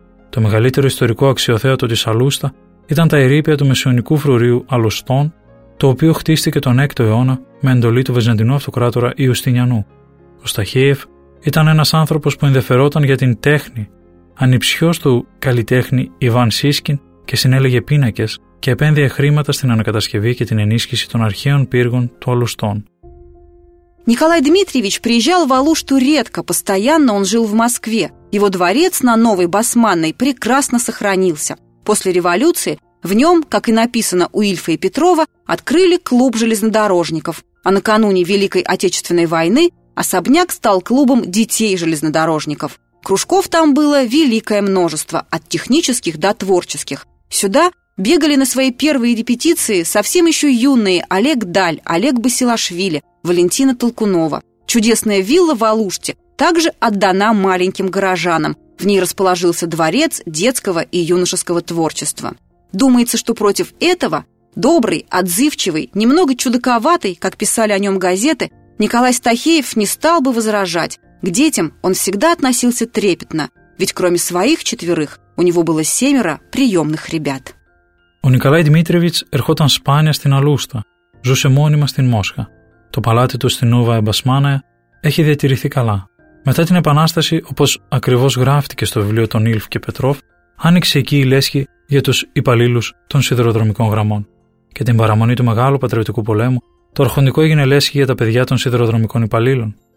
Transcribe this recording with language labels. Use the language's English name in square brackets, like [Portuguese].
[Greek] Το μεγαλύτερο ιστορικό αξιοθέατο της Αλούστα ήταν τα ερείπια του μεσαιωνικού φρουρίου Αλουστών, το οποίο χτίστηκε τον 6ο αιώνα με εντολή του Βυζαντινού Αυτοκράτορα Ιουστινιανού. Ο Σταχίεφ ήταν ένας άνθρωπος που ενδιαφερόταν για την τέχνη, ανιψιός του καλλιτέχνη Ιβάν Σίσκιν και συνέλεγε πίνακες και επένδυε χρήματα στην ανακατασκευή και την ενίσχυση των αρχαίων πύργων του Αλουστών. [Russian] Николай Дмитриевич приезжал в Алушту редко, постоянно он жил в Москве. Его дворец на Новой Басманной прекрасно сохранился. После революции в нем, как и написано у Ильфа и Петрова, открыли клуб железнодорожников, а накануне Великой Отечественной войны особняк стал клубом детей железнодорожников. Кружков там было великое множество, от технических до творческих. Сюда бегали на свои первые репетиции совсем еще юные Олег Даль, Олег Басилашвили, Валентина Толкунова. Чудесная вилла в Алуште также отдана маленьким горожанам. В ней расположился дворец детского и юношеского творчества. Думается, что против этого добрый, отзывчивый, немного чудаковатый, как писали о нем газеты, Николай Стахеев не стал бы возражать. К детям он всегда относился трепетно, ведь кроме своих четверых у него было семеро приемных ребят. [Greek] У Николай Дмитриевич эрхотан спаня стен Алуста, жусе монима стен Мошка. Το παλάτι του στην Νούβα Εμπασμάνεα έχει διατηρηθεί καλά. Μετά την Επανάσταση, όπως ακριβώς γράφτηκε στο βιβλίο των Ήλφ και Πετρόφ, άνοιξε εκεί η λέσχη για τους υπαλλήλους των σιδηροδρομικών γραμμών. Και την παραμονή του Μεγάλου Πατριωτικού Πολέμου, το αρχοντικό έγινε λέσχη για τα παιδιά των σιδηροδρομικών υπαλλήλων.